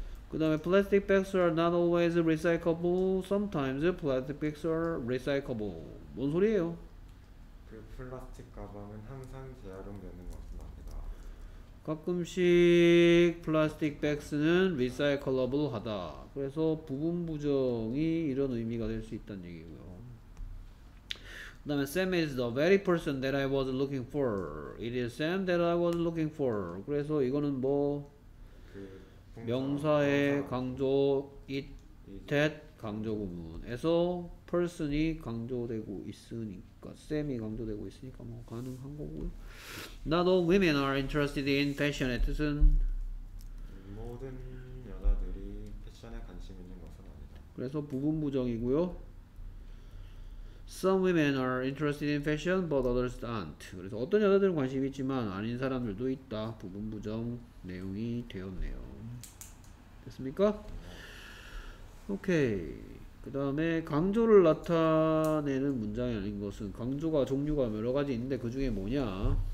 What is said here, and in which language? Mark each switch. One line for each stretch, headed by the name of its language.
Korean: 그 다음에
English: plastic bags are not always recyclable. Sometimes plastic bags are recyclable.
Korean: 뭔 소리예요? 그 플라스틱 가방은 항상 재활용되는 것은 아니다. 가끔씩 플라스틱 백스는 리사이클러블하다. 그래서 부분 부정이 이런 의미가 될 수 있다는 얘기고요. 그 다음에
English: Sam is the very person that I was looking for. It is Sam that I was looking for.
Korean: 그래서 이거는 뭐 명사의 강조 it that 강조 부분에서 person이 강조되고 있으니까 Sam이 강조되고 있으니까 뭐 가능한 거고요.
English: Not all women are interested in passionate은
Korean: 모든 여자들이 패션에 관심 있는 것은 아니다. 그래서 부분 부정이고요.
English: Some women are interested in fashion, but others aren't.
Korean: 그래서 어떤 여자들은 관심 있지만 아닌 사람들도 있다. 부분 부정 내용이 되었네요. 됐습니까? 오케이. 그 다음에 강조를 나타내는 문장이 아닌 것은 강조가 종류가 여러 가지 있는데 그 중에 뭐냐?